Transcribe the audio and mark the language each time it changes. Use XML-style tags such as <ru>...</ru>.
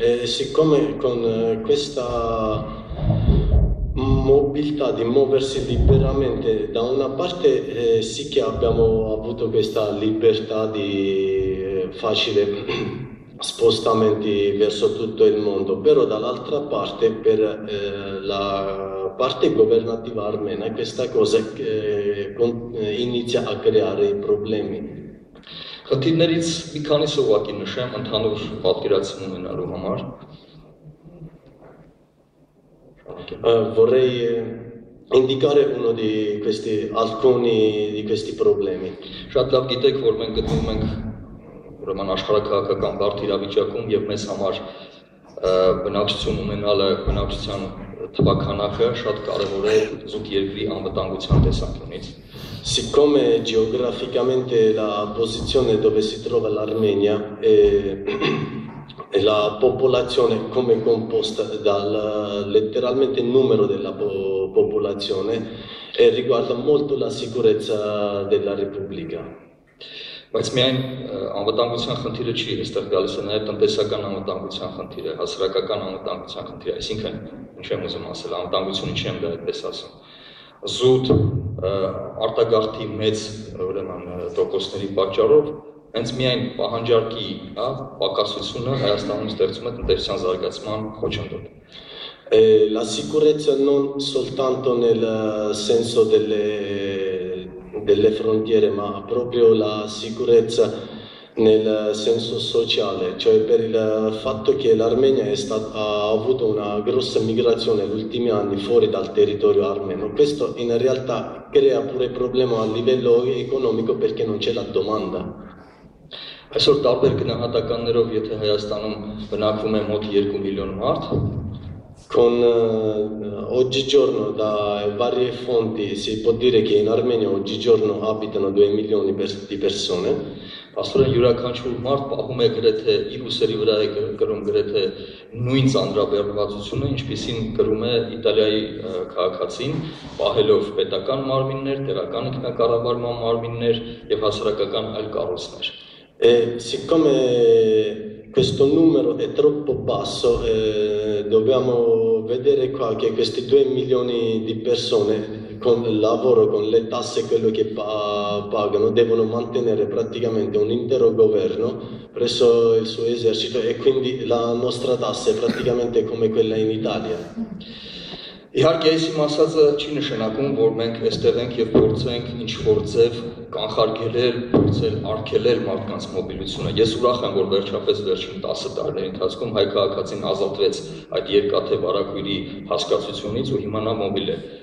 <it>Siccome con questa mobilità di muoversi liberamente, da una parte sì che abbiamo avuto questa libertà di facile spostamenti verso tutto il mondo, però dall'altra parte per la parte governativa armena questa cosa inizia a creare problemi.</it> <hy>Խտիրներից մի քանիսը ուղղակի նշեմ ընդհանուր պատկերացում ունենալու համար։</hy> <it>Vorrei indicare uno di questi alcuni di questi problemi.</it> <hy>Շատ լավ գիտեք, որ մենք գտնվում ենք ուրեմն աշխարհակահաղական բարդ իրավիճակում եւ մեզ համար բնակչություն ունենալը, բնակչության թվականախը շատ կարեւոր է զուտ երկրի անվտանգության տեսանկյունից։</hy> <it>Siccome geograficamente la posizione dove si trova l'Armenia e la popolazione come composta dal letteralmente il numero della popolazione e riguarda molto la sicurezza della Repubblica.</it> <hy>Բայց միայն անվտանգության խնդիրը չի այստեղ գալիս, նաև տնտեսական անվտանգության խնդիրը, հասարակական անվտանգության խնդիրը, այսինքն ինչ եմ ուզում ասել, անվտանգությունը չի եմ դա այդպես ասում։ Զուտ արտագաղթի մեծ ուրեմն տոկոսների պատճառով հենց միայն պահանջարկի պակասությունը Հայաստանում ստեղծում է տնտեսության զարգացման խոչընդոտ։</hy> <it>La sicurezza non soltanto nel senso delle frontiere, ma proprio la sicurezza nel senso sociale, cioè per il fatto che l'Armenia ha avuto una grossa migrazione negli ultimi anni fuori dal territorio armeno. Questo in realtà crea pure problema a livello economico perché non c'è la domanda.</it> <hy>Այսօր տարբեր գնահատականներով, եթե Հայաստանում բնակվում է մոտ 2 միլիոն մարդ,</hy> <it>con oggigiorno da varie fonti si può dire che in Armenia oggigiorno abitano 2 milioni di persone.</it> <hy>Pastore յուրաքանչյուր մարդ պահում է գրեթե իր ուսերի վրա է կրում գրեթե նույն ծանրաբեռնվածությունը, ինչպեսին կրում է Իտալիայի քաղաքացին, պահելով պետական մարմիններ, տեղական ինքնակառավարման մարմիններ եւ հասարակական այլ կառույցներ։</hy> <it>Siccome questo numero è troppo basso, dobbiamo vedere qua che questi 2 milioni di persone con il lavoro, con le tasse, quello che pagano, devono mantenere praticamente un intero governo presso il suo esercito e quindi la nostra tassa è praticamente come quella in Italia.</it> <hy>Իհարկե, այսինքն ասած չի նշանակում, որ մենք այստեղ ենք եւ փորձենք ինչ-որ ձև կանխարգելել, փորձել արգելել մարդկանց մոբիլությունը։ Ես ուրախ եմ, որ վերջապես վերջին 10 տարիների ընթացքում հայ քաղաքացին ազատվեց այդ երկաթե վարակույրի հասկացությունից ու հիմա նա մոբիլ է։</hy>